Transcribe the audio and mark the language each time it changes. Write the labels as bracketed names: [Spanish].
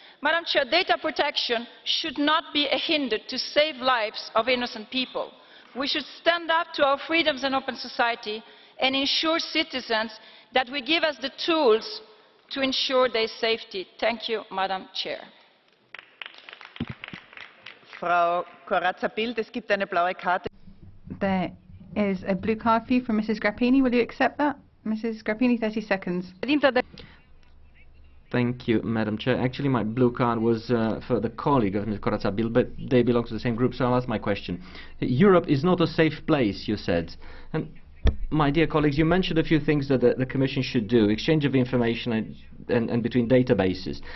[English] Madam Chair, data protection should not be a hinder to save lives of innocent people. We should stand up to our freedoms and open society and ensure citizens that we give us the tools to ensure their safety. Thank you, Madam Chair. [German] Frau Kratzer-Bild, es gibt eine blaue Karte. [English] There is a blue card for you from Mrs. Grappini. Will you accept that? Mrs. Grappini, 30 seconds. Thank you, Madam Chair. Actually, my blue card was for the colleague of Ms. Kratzer-Bild, but they belong to the same group, so I'll ask my question. Europe is not a safe place, you said. And my dear colleagues, you mentioned a few things that the Commission should do, exchange of information and between databases.